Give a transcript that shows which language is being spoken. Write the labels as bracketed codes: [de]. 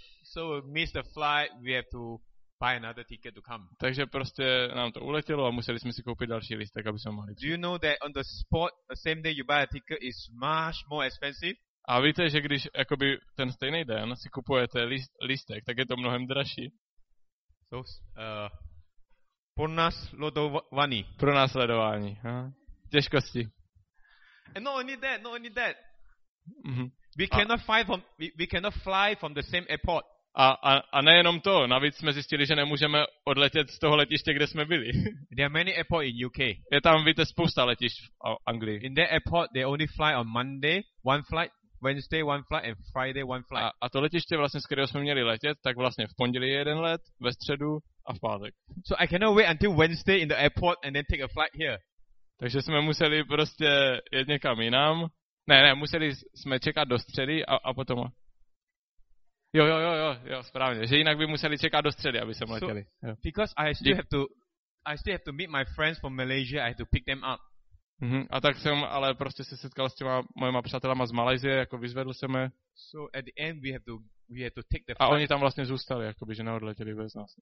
[en] So we missed the flight, we have to buy another ticket to come. [cs] Takže prostě nám to uletělo a museli jsme si koupit další lístek, aby jsme mohli. [en] Do you know that on the spot, the same day you buy a ticket is much more expensive? [cs] A víte, že když jakoby ten stejný den si kupujete lístek, tak je to mnohem dražší. [en] So, pronásledování. [cs] Pronásledování, ha? Těžkosti. [en] And not only that, not only that. Mm-hmm. We cannot fly from the same airport. [cs] A nejenom to, navíc jsme zjistili, že nemůžeme odletět z toho letiště, kde jsme byli. [en] There are many airports in UK. [cs] Je tam, víte, spousta letišť v Anglii. [en] In that airport, they only fly on Monday, one flight. Wednesday one flight and Friday one flight. [cs] A to letiště vlastně, z kterého jsme měli letět, tak vlastně v pondělí jeden let, ve středu a v pátek. [en] So I cannot wait until Wednesday in the airport and then take a flight here. [cs] Takže jsme museli prostě jet někam jinam. Ne, museli jsme čekat do středy a potom. Jo, správně. Že jinak by museli čekat do středy, aby se letěli. [en] So, because I still have to meet my friends from Malaysia, I have to pick them up. Mm-hmm. [cs] A tak jsem ale prostě se setkal s těma mojima přátelama z Malajzie, jako vyzvedl jsem je. [en] So at the end we have to take the [cs] flight. A oni tam vlastně zůstali, jakoby, že neodletěli bez nás.